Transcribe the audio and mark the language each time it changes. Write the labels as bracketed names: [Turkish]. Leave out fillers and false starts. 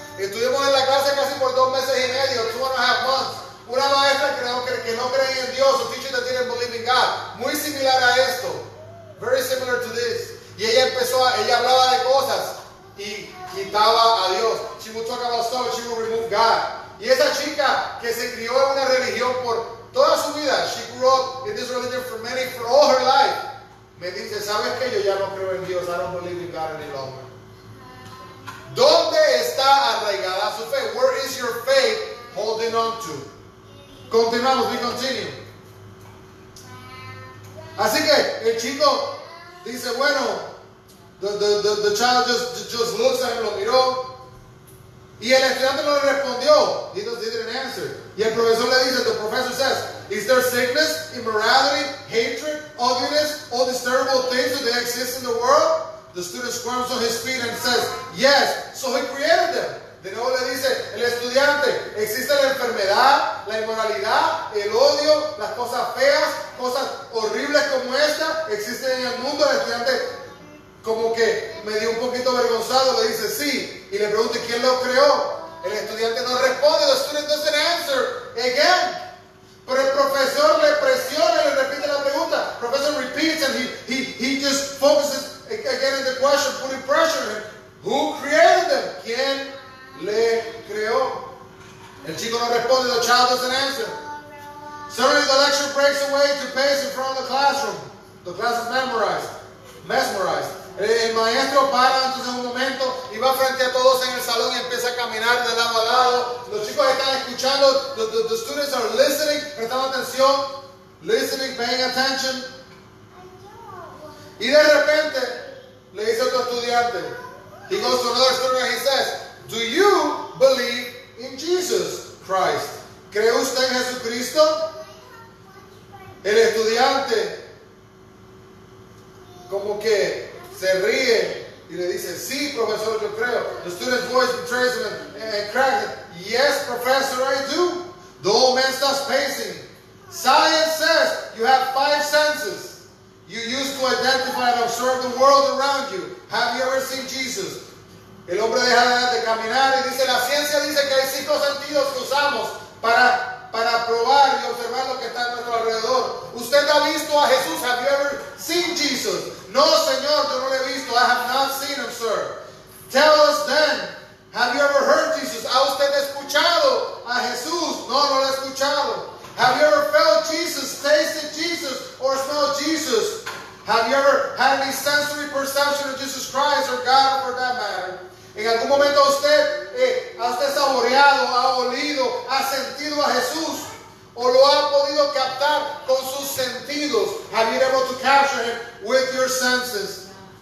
[Spanish] Estuvimos en la clase casi por 2 meses y medio. [English] 2.5 months. [Spanish] Una maestra que no cree en Dios, un [English] teacher that didn't believe in God. [Spanish] Muy similar a esto. [English] Very similar to this. [Spanish] Y ella hablaba de cosas y quitaba a Dios. [English] She would talk about stuff, she would remove God. [Spanish] Y esa chica que se crió en una religión por toda su vida, [English] she grew up in this religion for all her life, [Spanish] me dice, ¿sabes qué? Yo ya no creo en Dios, [English] I don't believe in God any longer. [Spanish] ¿Dónde está arraigada su fe? [English] Where is your faith holding on to? [Spanish] Continuamos, [English] we continue. [Spanish] Así que el chico dice, bueno, [English] the child just looks at him, [Spanish] lo miró, y el estudiante no le respondió. [English] He didn't answer. [Spanish] Y el profesor le dice, [English] the professor says, is there sickness, immorality, hatred, ugliness, all these terrible things that they exist in the world? The student squirms on his feet and says, yes, So he created them. [Spanish] De nuevo le dice el estudiante, existe la enfermedad, la inmoralidad, el odio, las cosas feas, cosas horribles como esta, existen en el mundo. El estudiante como que me dio un poquito avergonzado, le dice sí, y le pregunto, ¿quién lo creó? El estudiante no responde, [English] the student doesn't answer again. [Spanish] Pero el profesor le presiona y le repite la pregunta. [English] Profesor repeats and he just focuses again in the question, putting pressure on him. Who created them? [Spanish] ¿Quién le creó? El chico no responde, [English] the child doesn't answer. Suddenly the lecture breaks away to pace in front of the classroom. The class is memorized. [Spanish] El maestro para entonces un momento y va frente a todos en el salón y empieza a caminar de lado a lado. Los chicos están escuchando. [English] The students are listening, [Spanish] prestando atención. [English] Listening, paying attention. [Spanish] Y de repente le dice otro estudiante. [English] He goes to another student and he says, do you believe in Jesus Christ? [Spanish] ¿Cree usted en Jesucristo? El estudiante como que se ríe y le dice, sí, profesor, yo creo. [English] The student's voice betrays him and cracks it. Yes, professor, I do. The old man starts pacing. Science says you have 5 senses. You use to identify and observe the world around you. Have you ever seen Jesus? [Spanish] El hombre deja de caminar y dice, la ciencia dice que hay 5 sentidos que usamos para probar y observar lo que está a nuestro alrededor. ¿Usted ha visto a Jesús? [English] Have you ever seen Jesus? [Spanish] No, señor, yo no lo he visto. [English] I have not seen him, sir. Tell us then, have you ever heard Jesus? [Spanish] ¿Ha usted escuchado a Jesús? No, no lo he escuchado. [English] Have you ever felt Jesus, tasted Jesus, or smelled Jesus? Have you ever had any sensory perception of Jesus Christ or God for that matter? [Spanish] ¿En algún momento usted ha saboreado, ha olido, ha sentido a Jesús? ¿O lo ha podido captar con sus sentidos? [English] Have you been able to capture him with your senses?